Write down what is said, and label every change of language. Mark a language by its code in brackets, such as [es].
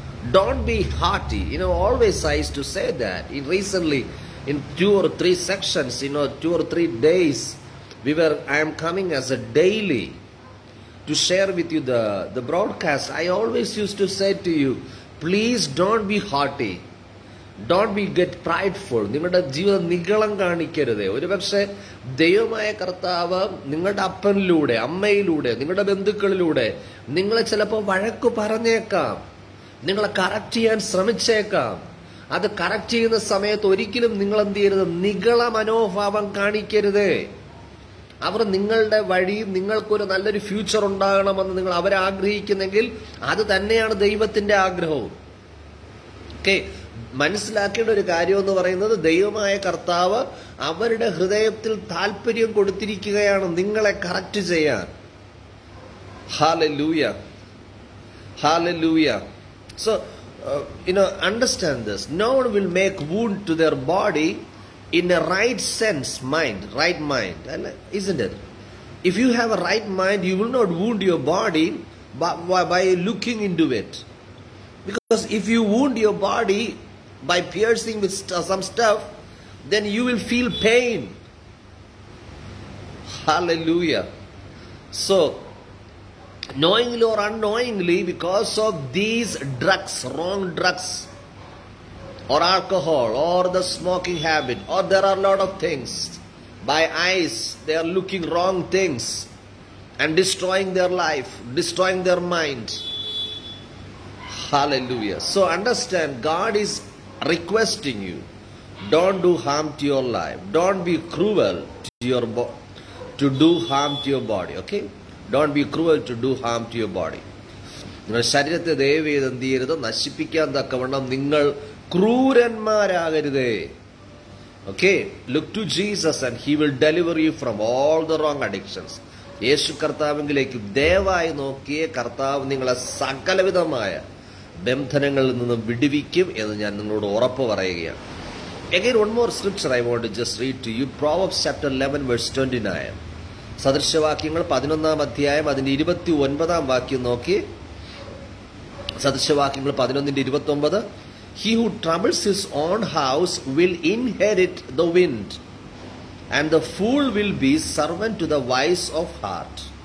[en] Don't be haughty. You know, always I used to say that. Recently, in two or three sections, you know, two or three days, I am coming as a daily to share with you the broadcast. I always used to say to you, please don't be haughty. Don't be get prideful. [ml] നിങ്ങളുടെ ജീവിതം നിഗളം കാണിക്കരുത്. ഒരു പക്ഷേ ദൈവമായ കർത്താവ് നിങ്ങളുടെ അപ്പനിലൂടെ, അമ്മയിലൂടെ, നിങ്ങളുടെ ബന്ധുക്കളിലൂടെ നിങ്ങളെ ചിലപ്പോൾ വഴക്കു പറഞ്ഞേക്കാം, നിങ്ങളെ കറക്റ്റ് ചെയ്യാൻ ശ്രമിച്ചേക്കാം. അത് കറക്റ്റ് ചെയ്യുന്ന സമയത്ത് ഒരിക്കലും നിങ്ങൾ എന്ത് ചെയ്യരുത്, നിഗള മനോഭാവം കാണിക്കരുത്. അവർ നിങ്ങളുടെ വഴി, നിങ്ങൾക്കൊരു നല്ലൊരു ഫ്യൂച്ചർ ഉണ്ടാകണമെന്ന് നിങ്ങൾ അവരെ ആഗ്രഹിക്കുന്നെങ്കിൽ അത് തന്നെയാണ് ദൈവത്തിൻ്റെ ആഗ്രഹവും. ഓക്കെ, മനസ്സിലാക്കേണ്ട ഒരു കാര്യം എന്ന് പറയുന്നത്, ദൈവമായ കർത്താവ് അവരുടെ ഹൃദയത്തിൽ താല്പര്യം കൊടുത്തിരിക്കുകയാണ് നിങ്ങളെ കറക്റ്റ് ചെയ്യാൻ. [en] Hallelujah, hallelujah. So you know, understand this, no one will make wound to their body in a right sense mind, right mind അല്ലെ, isn't it? If you have a right mind, you will not wound your body by looking into it. Because if you wound your body by piercing with some stuff, then you will feel pain. Hallelujah. So, knowingly or unknowingly, because of these drugs, wrong drugs, or alcohol, or the smoking habit, or there are a lot of things, by eyes, they are looking wrong things and destroying their life, destroying their mind. Hallelujah. So understand, God is requesting you, don't do harm to your life. Don't be cruel to do harm to your body. Okay? Don't be cruel to do harm to your body. [ml] നിങ്ങളുടെ ശരീരത്തെ ദൈവം എന്ത് ചെയ്യരുത്, നശിപ്പിക്കാൻ തക്കവണ്ണം നിങ്ങൾ ക്രൂരന്മാരാകരുത്. [en] Okay? Look to Jesus and He will deliver you from all the wrong addictions. [ml] യേശു കർത്താവിങ്കിലേക്ക് ദയവായി നോക്കിയേ കർത്താവ് നിങ്ങളെ സകലവിധമായ ബന്ധനങ്ങളിൽ നിന്ന് വിടുവിക്കും എന്ന് ഞാൻ നിങ്ങളോട് ഉറപ്പ് പറയുകയാണ്. [en] Again, one more scripture I want to just read to you. Proverbs chapter 11, verse 29. [ml] സദൃശവാക്യങ്ങൾ 11 അധ്യായം അതിൻ്റെ 29 വാക്യം നോക്കി. സദൃശവാക്യങ്ങൾ 11:29. [en] He who troubles his own house will inherit the wind, and the fool will be servant to the wise of heart.